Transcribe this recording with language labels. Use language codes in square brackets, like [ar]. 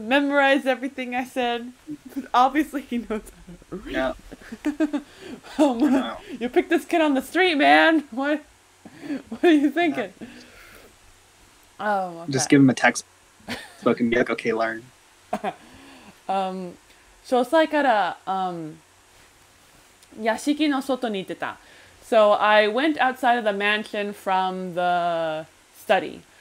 [en] Memorized everything I said. But obviously he knows how to read. Yeah. You picked this kid on the street, man. What are you thinking? Yeah. Oh, okay. Just give him a textbook and be like, okay, learn. [ja] 詳細から、屋敷の外に行ってた。 [en] So I went outside of the mansion from the study.